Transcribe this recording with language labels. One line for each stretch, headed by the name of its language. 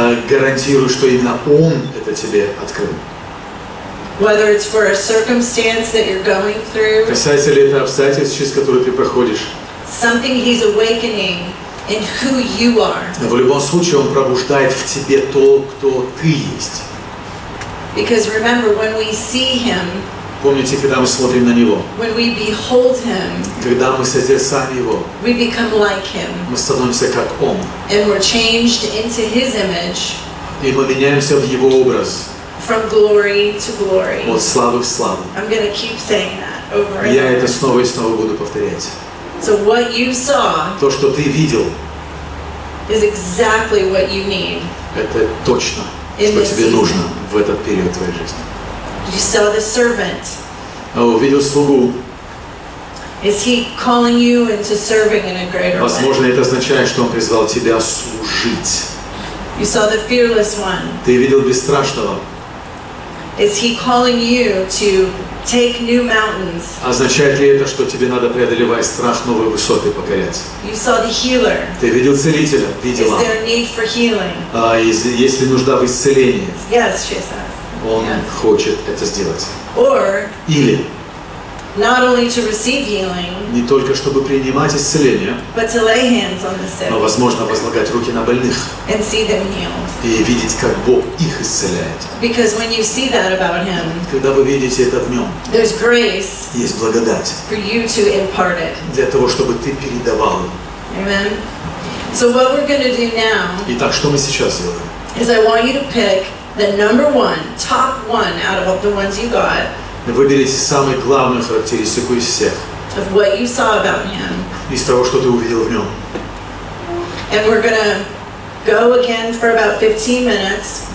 Russian: Гарантирую, что именно Он это тебе открыл.
English: Whether it's for a circumstance that you're going through,
Russian: касается ли это обстоятельств, через которые ты проходишь,
English: something he's awakening in who you are.
Russian: В любом случае, он пробуждает в тебе то, кто ты есть.
English: Because remember, when we see him,
Russian: помните, когда мы смотрим на него,
English: when we behold him,
Russian: когда мы созерцаем его,
English: we become like him.
Russian: Мы становимся как он.
English: And we're changed into his image.
Russian: И мы меняемся в его образ.
English: From glory to glory.
Russian: От славы в славу.
English: I'm going to keep saying that over and over.
Russian: Я это снова и снова буду повторять.
English: So what you saw,
Russian: то, что ты видел,
English: is exactly what you need.
Russian: Это точно, что тебе нужно в этот период твоей жизни.
English: You saw the servant.
Russian: Увидел слугу.
English: Is he calling you into serving in a greater way?
Russian: Возможно, это означает, что он призвал тебя служить.
English: You saw the fearless one.
Russian: Ты видел бесстрашного.
English: Is he calling you to take new mountains?
Russian: Означает ли это, что тебе надо преодолевать страх, новые высоты покорять?
English: You saw the healer.
Russian: Ты видел целителя, видела.
English: Is there a need for healing?
Russian: Есть ли нужда в исцелении?
English: Yes, she says.
Russian: Он
English: yes.
Russian: хочет это сделать.
English: Or,
Russian: или,
English: not only to receive healing,
Russian: не только чтобы принимать исцеление,
English: but to lay hands on the sick,
Russian: но возможно возлагать руки на больных
English: and see them healed.
Russian: И видеть, как Бог их исцеляет.
English: Because when you see that about him,
Russian: когда вы видите это в нем,
English: there's grace,
Russian: есть благодать
English: for you to impart it.
Russian: Для того, чтобы ты передавал.
English: Amen. So what we're going to do now,
Russian: итак, что мы сейчас делаем?
English: Is I want you to pick The number one, top one out of the ones you got.
Russian: Выберите самую главную характеристику из всех.
English: Of what you saw about him.
Russian: Из того, что ты увидел в нем.
English: And we're gonna go again for about 15 minutes.